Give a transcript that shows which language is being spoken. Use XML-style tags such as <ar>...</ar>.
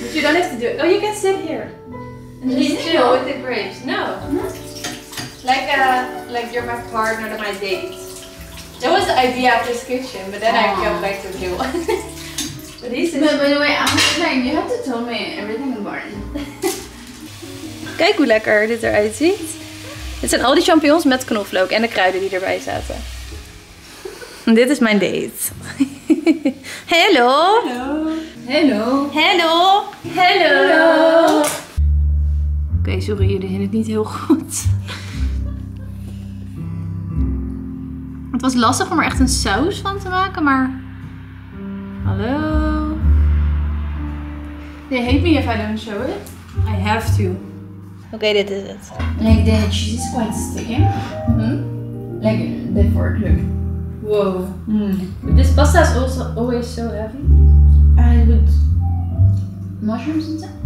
<en>But you don't have to do it. Oh, you can sit here. And just chill with the grapes. No. Like you're my partner or my date. That was the idea of this kitchen, but then I came back to you. But this is. But by the way, I'm saying you have to tell me everything in the morning.</en> <nl>Kijk hoe lekker dit eruit ziet. Het zijn al die champignons met knoflook en de kruiden die erbij zaten. Dit is mijn date.</nl> <en>Hello. Hello. Hello. Hello. Hello.</en> <nl>Oké, sorry, jullie hinnen het niet heel goed. Het was lastig om er echt een saus van te maken, maar... Hallo.</nl> <en>They hate me if I don't show it. I have to.</en> <nl>Oké, dit is het.</nl> <en>Like the cheese is quite sticky. Mm-hmm. Like the fork look. Wow. Mm. But this pasta is also always so heavy. And with mushrooms and stuff.</en>